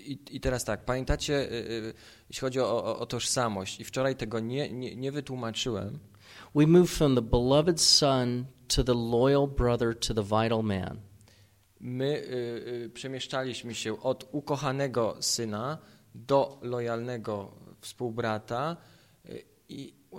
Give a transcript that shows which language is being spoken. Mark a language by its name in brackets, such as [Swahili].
[Polish] I teraz tak, pamiętacie, jeśli chodzi o tożsamość, i wczoraj tego nie wytłumaczyłem. [English] We move from the beloved son to the loyal brother to the vital man. [Polish] My przemieszczaliśmy się od ukochanego syna do lojalnego współbrata i